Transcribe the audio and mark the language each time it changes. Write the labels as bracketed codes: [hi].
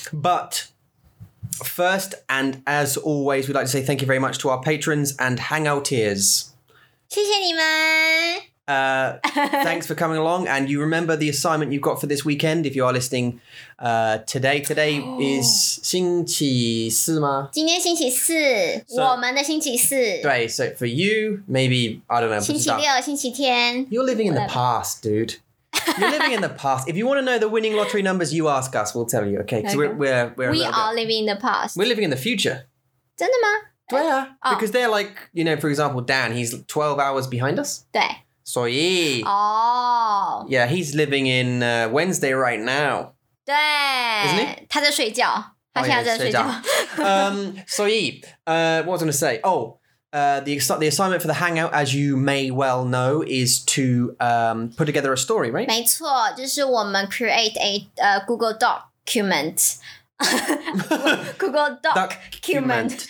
[en] But first, and as always, we'd like to say thank you very much to our patrons and hangouteers. [zh] 谢谢你们。 [en] thanks for coming along. And you remember the assignment you've got for this weekend, if you are listening today. Today is [zh] 星期四吗？今天星期四，我们的星期四。对, [en] so for you, maybe, I don't know. [zh] 星期六，星期天。 [en] You're living in the past, dude. You're living in the past. If you want to know the winning lottery numbers, you ask us, we'll tell you, okay? Because we are living in the past. We're living in the future. [zh] 真的吗？对啊。 [en] Oh. Because they're like, you know, for example, Dan, he's 12 hours behind us. [zh] 对。所以 oh. [en] Yeah, he's living in Wednesday right now. [zh] 对 [en] Isn't he? [zh] 他在睡觉他现在在睡觉所以 [en] what was I going to say? Oh, the assignment for the hangout, as you may well know, is to put together a story, right? [zh] 没错就是我们 [en] create a Google document Google document